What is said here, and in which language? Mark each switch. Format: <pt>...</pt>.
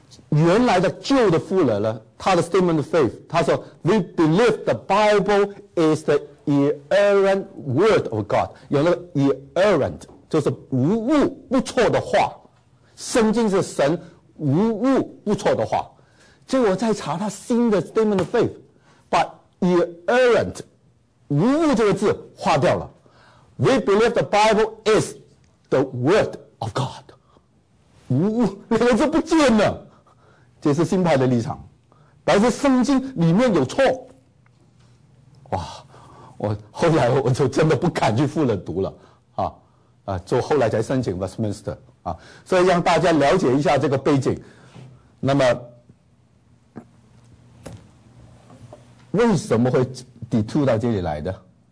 <zh>原来的旧的富勒呢，他的 statement of faith 他说</zh> <en>We believe the Bible is the inerrant word of God，</en> <zh>有那个 inerrant 就是无误不错的话，圣经是神无误不错的话。结果再查他新的 statement of faith， 把 inerrant 无误这个字划掉了，</zh> <en>We believe the Bible is the word of God，</en> <zh>无误两个字不见了。这是新派的立场，但是圣经里面有错。哇，我后来我就真的不敢去复了读了啊，就后来才申请 Westminster 啊。所以让大家了解一下这个背景。那么为什么会抵触到这里来的？</zh>